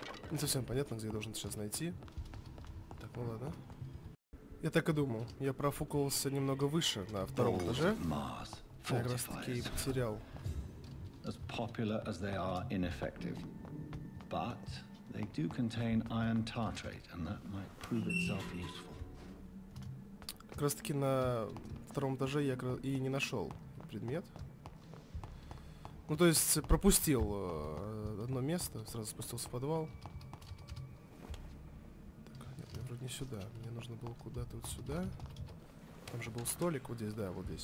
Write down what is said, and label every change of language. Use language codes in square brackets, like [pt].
[ru] Не совсем понятно, где я должен сейчас найти. Так, ну ладно. Я так и думал. Я профукался немного выше, на втором этаже. Я как раз таки и потерял. [en] As popular as they are ineffective. But they do contain iron tartrate, and that might prove itself useful. [ru] Как раз таки на втором этаже я и не нашел предмет. Ну то есть пропустил одно место, сразу спустился в подвал. Не сюда. Мне нужно было куда-то вот сюда. Там же был столик вот здесь, да, вот здесь.